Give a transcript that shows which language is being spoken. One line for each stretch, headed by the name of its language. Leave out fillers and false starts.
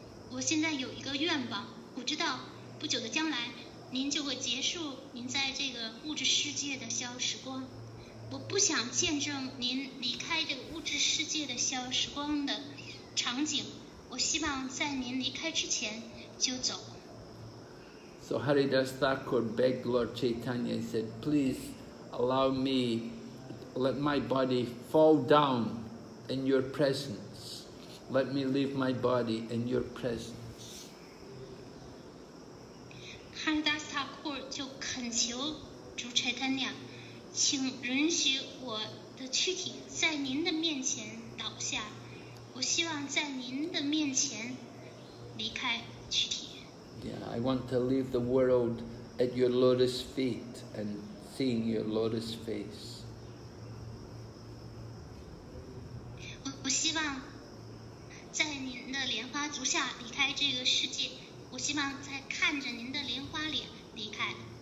Chinese: 我现在有一个愿望，我知道不久的将来您就会结束您在这个物质世界的消时光，我不想见证您离开这个物质世界的消时光的场景，我希望在您离开之前就走。
English: So Haridas Thakur begged Lord Chaitanya and said, please allow me, let my body fall down in your presenceLet me leave my body in your presence.
Chinese: Haridas Thakur 就恳求主 Chaitanya, 请允许我的躯体在您的面前倒下。我希望在您的面前离开躯体。
English: Yeah, I want to leave the world at your lotus feet and seeing your lotus face.
Chinese: 我希望在您的莲花足下离开这个世界，我希望在看着您的莲花脸离开。